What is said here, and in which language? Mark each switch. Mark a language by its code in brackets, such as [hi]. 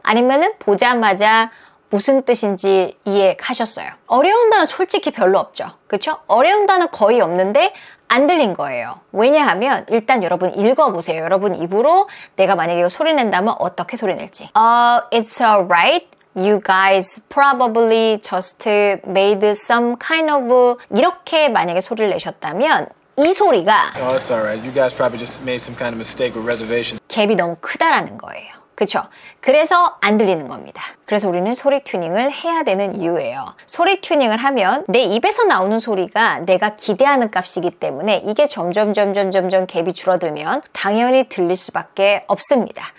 [ko] 아니면은 보자마자 무슨 뜻인지 이해하셨어요? 어려운 단어 솔직히 별로 없죠. 그렇죠? 어려운 단어 거의 없는데 안 들린 거예요. 왜냐하면 일단 여러분 읽어보세요. 여러분 입으로 내가 만약에 이거 소리 낸다면 어떻게 소리 낼지. [en] It's alright. You guys probably just made some kind of [ko] 이렇게 만약에 소리를 내셨다면 이 소리가 [en] Oh, it's alright. You guys probably just made some kind of mistake with reservation. [ko] 갭이 너무 크다라는 거예요. 그렇죠? 그래서 안 들리는 겁니다. 그래서 우리는 소리 튜닝을 해야 되는 이유예요. 소리 튜닝을 하면 내 입에서 나오는 소리가 내가 기대하는 값이기 때문에 이게 점점 갭이 줄어들면 당연히 들릴 수밖에 없습니다.